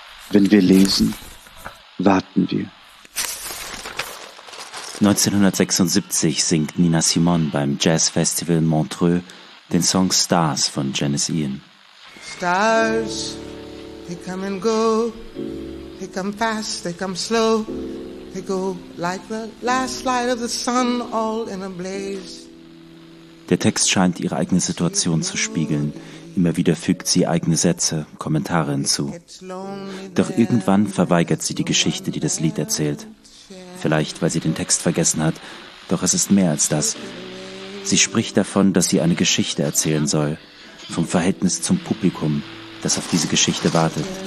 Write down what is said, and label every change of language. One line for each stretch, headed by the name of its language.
German: Wenn wir lesen, warten wir. 1976 singt Nina Simone beim Jazzfestival Montreux den Song Stars von Janice Ian.
English: Stars, they come and go. They come fast, they come slow. They go like the last light of the sun all in a blaze.
German: Der Text scheint ihre eigene Situation zu spiegeln. Immer wieder fügt sie eigene Sätze, Kommentare hinzu. Doch irgendwann verweigert sie die Geschichte, die das Lied erzählt. Vielleicht, weil sie den Text vergessen hat, doch es ist mehr als das. Sie spricht davon, dass sie eine Geschichte erzählen soll, vom Verhältnis zum Publikum, das auf diese Geschichte wartet.